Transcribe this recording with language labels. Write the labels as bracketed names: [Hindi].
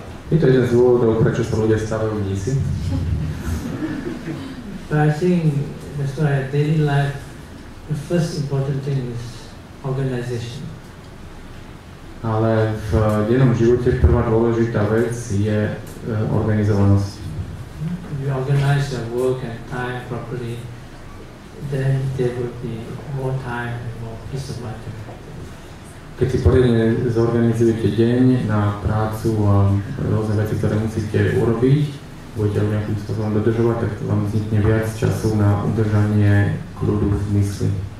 [Slovak] Je to jeden z dôvodov, prečo sa ľudia stávajú v nísi? [English] I think that's why daily life, the first important thing is organization. [Slovak] Ale v dennom živote prvá dôležitá vec je organizovanosť. [English] If you organize your work and time properly, then there will be more time and more peace of mind. [Slovak] Keď si poriadne zorganizujete deň na prácu a rôzne veci, ktoré musíte urobiť, budete ho nejakým spôsobom dodržovať, tak vám vznikne viac času na udržanie kľudu v mysli.